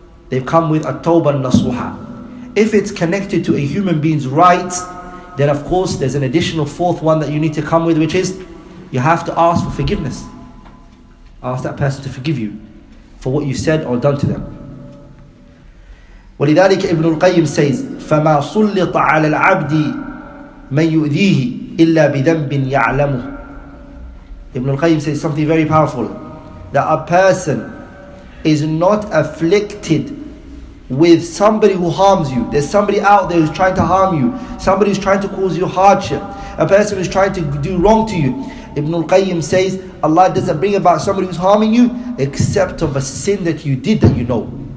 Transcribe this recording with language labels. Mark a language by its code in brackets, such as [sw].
[en] They've come with a tawbah nasuha. If it's connected to a human being's rights, then of course there's an additional fourth one that you need to come with, which is you have to ask for forgiveness. Ask that person to forgive you for what you said or done to them. [ar] ولذلك ابن القيم [en] says, [ar] فما سلط على العبد من يؤذيه إلا بذنب يعلمه. [en] Ibn al-Qayyim says something very powerful, that a person is not afflicted with somebody who harms you. There's somebody out there who's trying to harm you, somebody who's trying to cause you hardship, a person who's trying to do wrong to you. Ibn al-Qayyim says, Allah doesn't bring about somebody who's harming you except of a sin that you did that you know.